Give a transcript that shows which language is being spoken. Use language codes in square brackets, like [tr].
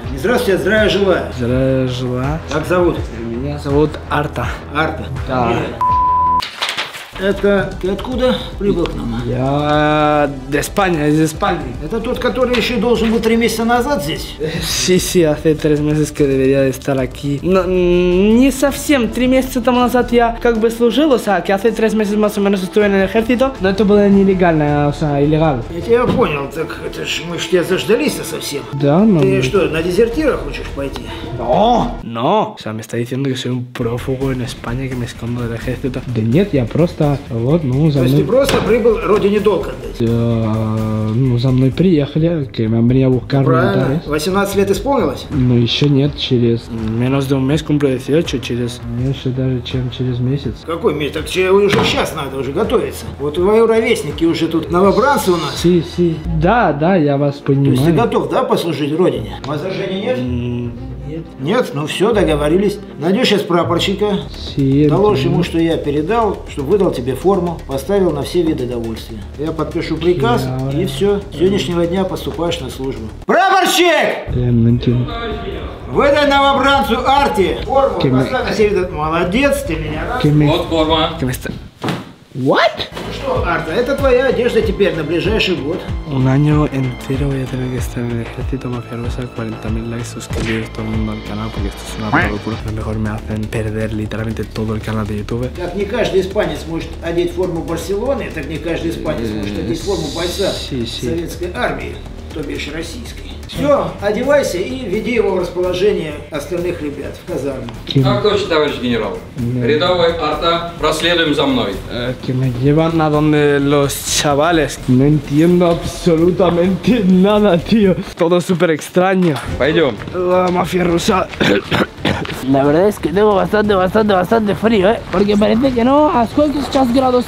[ru] Не здравствуйте, а здравия жила. Здравия жила. Как зовут? Меня зовут Арта. Арта? Да. Это ты откуда прибыл к нам? Я из Испании, из Испании. Это тот, который еще должен был 3 месяца назад здесь? [es] Sí, sí, hace 3 meses que debería estar aquí. [ru] Но не совсем. 3 месяца тому назад я как бы служил, [es] que hace 3 meses más o menos estuve en el ejército. [ru] Но это было нелегально, [en] illegal. [ru] Я тебя понял, так это ж мы ж тебя заждались-то совсем. Да, но... Ты что, на дезертира хочешь пойти? [es] No. No. Me está diciendo que soy un prófugo en España, que me escondo del ejército. [ru] Да нет, я просто... Вот, ну, за мной... есть ты просто прибыл родине долг отдать? Ну, за мной приехали, [es] que me han buscar. [ru] Правильно, 18 лет исполнилось? Ну, еще нет, через... [es] Menos de un mes cumplo 18, [ru] через... Меньше даже, чем через месяц. Какой месяц? Так тебе уже сейчас надо уже готовиться. Вот твои ровесники уже тут новобранцы у нас. [es] Си, си. [ru] Да, да, я вас понимаю. То есть ты готов, да, послужить родине? Возражений нет? Нет, ну все, договорились. Найдешь сейчас прапорщика, доложишь ему, что я передал, чтобы выдал тебе форму, поставил на все виды довольствия. Я подпишу приказ, и все, с сегодняшнего дня поступаешь на службу. Прапорщик! Выдай новобранцу Арте форму, поставь на все виды. Молодец, ты меня рад. Вот форма. [en] What? [ru] Арта, это твоя одежда теперь на ближайший год. [es] Un año entero voy a tener que estar en el ejército mafiosa, 40.000 likes, suscribir todo el mundo al canal, porque esto es una locura. A lo mejor me hacen perder literalmente todo el canal de YouTube. [ru] Так не каждый испанец может одеть форму Барселоны, так не каждый испанец может одеть форму бойца советской армии, то бишь российской. Все, одевайся и веди его в расположение остальных ребят в казарму. Так точно, товарищ генерал. Рядовой Арта, проследуем за мной. [es] Que me llevan a donde los chavales. No entiendo absolutamente nada, tío. Todo súper extraño. [ru] Пойдем. [es] La mafia rusa. La verdad es que tengo bastante, bastante, bastante frío, ¿eh? Porque parece que no. ¿A cuánto estás grados?